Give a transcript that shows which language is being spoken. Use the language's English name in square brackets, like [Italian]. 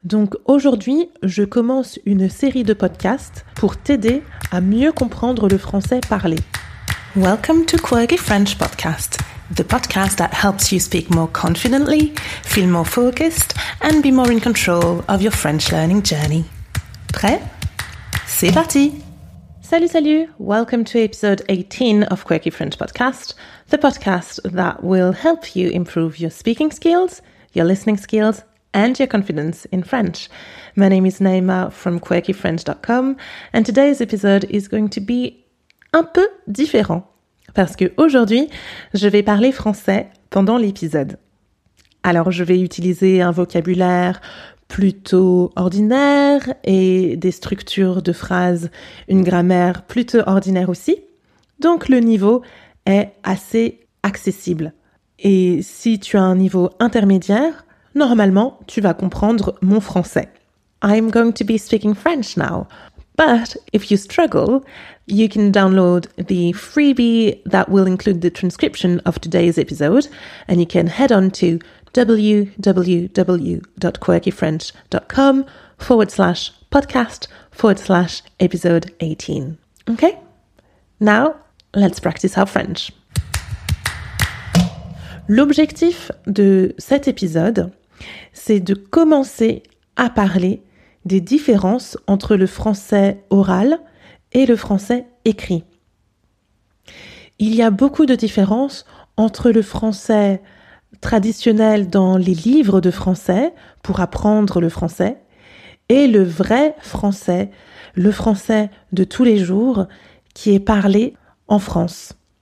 [French] Donc aujourd'hui, je commence une série de podcasts pour t'aider à mieux comprendre le français parlé. [English] Welcome to Quirky French Podcast, the podcast that helps you speak more confidently, feel more focused, and be more in control of your French learning journey. [French] Prêt? C'est parti! Salut, salut! [English] Welcome to episode 18 of Quirky French Podcast, the podcast that will help you improve your speaking skills, your listening skills, and your confidence in French. My name is Naima from quirkyfrench.com, and today's episode is going to be [French] un peu différent, parce que aujourd'hui, je vais parler français pendant l'épisode. Alors, je vais utiliser un vocabulaire plutôt ordinaire et des structures de phrases, une grammaire plutôt ordinaire aussi. Donc, le niveau est assez accessible. Et si tu as un niveau intermédiaire, normalement, tu vas comprendre mon français. [English] I'm going to be speaking French now. But if you struggle, you can download the freebie that will include the transcription of today's episode, and you can head on to www.quirkyfrench.com/podcast/episode18. Okay? Now, let's practice our French. [French] L'objectif de cet épisode, c'est de commencer à parler des différences entre le français oral et le français écrit. Il y a beaucoup de différences entre le français traditionnel dans les livres de français pour apprendre le français et le vrai français, le français de tous les jours qui est parlé en France.